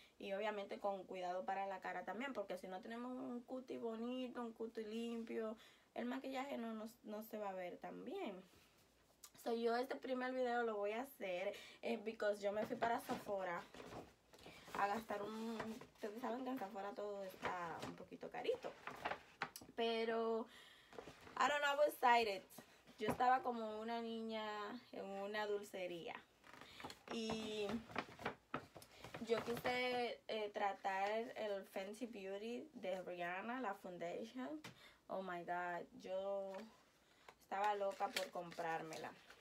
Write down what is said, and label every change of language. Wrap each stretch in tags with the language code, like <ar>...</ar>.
<es>Y obviamente con cuidado para la cara también, porque si no tenemos un cuti bonito, un cuti limpio, el maquillaje no se va a ver tan bien. So, yo este primer video lo voy a hacer because yo me fui para Sephora a gastar un... Ustedes saben que en Sephora todo está un poquito carito.</es> <en>Pero I don't know, I was excited.</en> <es>Yo estaba como una niña en una dulcería. Y yo quise tratar el Fenty Beauty de Rihanna, la foundation.</es> <en>Oh my God,</en> <es>yo estaba loca por comprármela.</es>